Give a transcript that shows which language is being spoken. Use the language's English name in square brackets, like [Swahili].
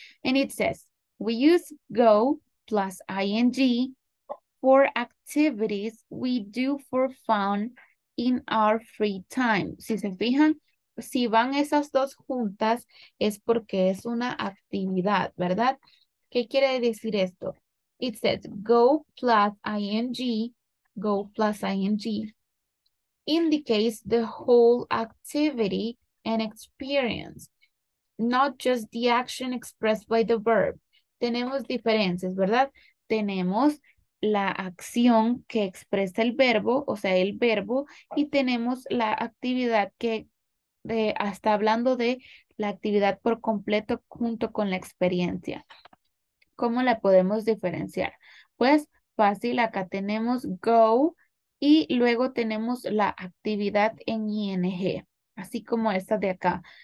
[English] And it says, we use go plus ing for activities we do for fun in our free time. [Spanish] Si se fijan, si van esas dos juntas, es porque es una actividad, ¿verdad? ¿Qué quiere decir esto? [English] It says go plus ing, indicates the whole activity and experience, not just the action expressed by the verb. [Spanish] Tenemos diferencias, ¿verdad? Tenemos la acción que expresa el verbo, o sea, el verbo, y tenemos la actividad que está hablando de la actividad por completo junto con la experiencia. ¿Cómo la podemos diferenciar? Pues fácil, acá tenemos go y luego tenemos la actividad en ing, así como esta de acá.